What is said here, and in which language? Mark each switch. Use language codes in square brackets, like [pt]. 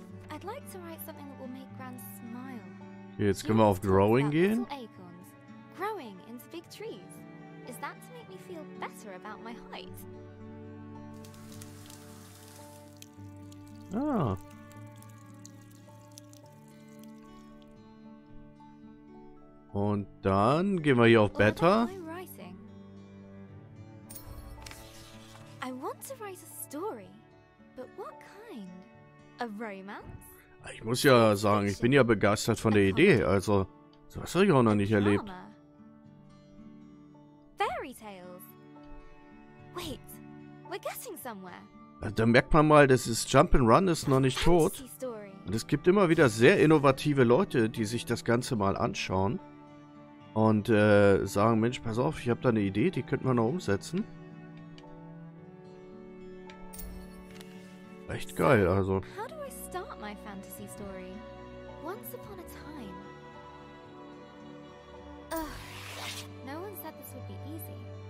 [en] I'd like to write something that will make Grant smile. [de] Okay, jetzt können wir auf Growing gehen. [en] Growing into big trees. Is that to make me feel better about my height? Ah. [de] Und dann gehen wir hier auf Beta. [en] I want to write a story. But what kind? A romance? [de] Ich muss ja sagen, ich bin ja begeistert von der Idee. Also, sowas habe ich auch noch nicht erlebt. [en] Fairy tales. Wait, we're getting somewhere. [de] Da merkt man mal, das ist Jump'n'Run ist noch nicht tot. Und es gibt immer wieder sehr innovative Leute, die sich das Ganze mal anschauen. Und sagen, Mensch, pass auf, ich habe da eine Idee, die könnte man noch umsetzen. Echt geil, also. [en] How do I start my fantasy story? Once upon a time. Ugh. No one said this would be easy.